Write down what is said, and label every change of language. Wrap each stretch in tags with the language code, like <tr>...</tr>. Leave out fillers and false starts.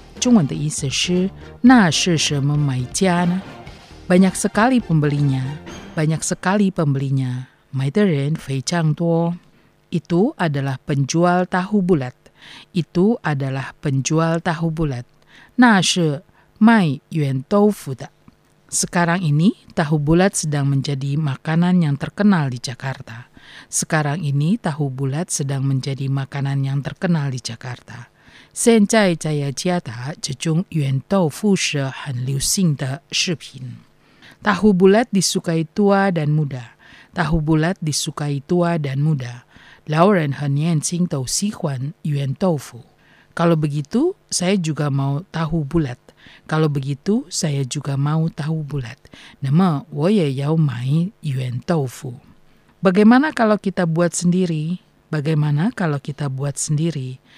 <zh>中文的意思是，那是什么买家呢？</zh> <id>Banyak sekali pembelinya.</id> <zh>买的人非常多。</zh> <id>Itu adalah penjual tahu bulat. Itu adalah penjual tahu bulat.</id> <zh>那是卖圆豆腐的。</zh> <id>Sekarang ini, tahu bulat sedang menjadi makanan yang terkenal di Jakarta. Sekarang ini tahu bulat sedang menjadi makanan yang terkenal di Jakarta.</id> <zh>现在在加达，这种圆豆腐是很流行的食品。</zh> <id>Tahu bulat disukai tua dan muda. Tahu bulat disukai tua dan muda.</id> <zh>老人和年轻都喜欢圆豆腐。</zh> <id>Kalau begitu, saya juga mau tahu bulat. Kalau begitu, saya juga mau tahu bulat.</id> <zh>Nama, 我也要买圆豆腐。</zh> <id>Bagaimana kalau kita buat sendiri? Bagaimana kalau kita buat sendiri?</id>